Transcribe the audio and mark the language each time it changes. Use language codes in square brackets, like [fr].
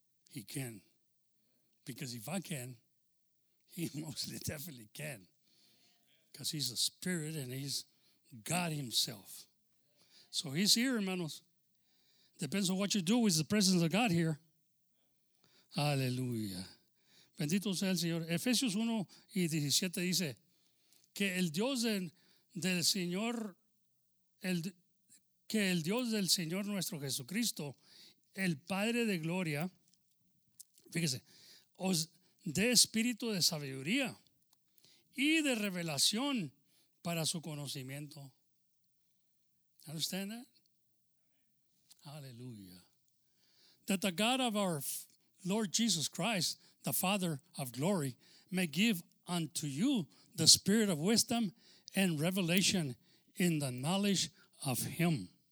[en] He can. Because if I can, He most definitely can. Because He's a spirit and He's God Himself. So He's here, hermanos. Depends on what you do with the presence of God here. [es] Hallelujah. Bendito sea el Señor. Efesios 1 y 17 dice que el Dios del Señor, que el Dios del Señor nuestro Jesucristo, el Padre de Gloria, fíjese, os dé espíritu de sabiduría y de revelación para su conocimiento. [en] ¿Understand that? Aleluya. That the God of our Lord Jesus Christ, the Father of glory, may give unto you the spirit of wisdom and revelation in the knowledge of Him.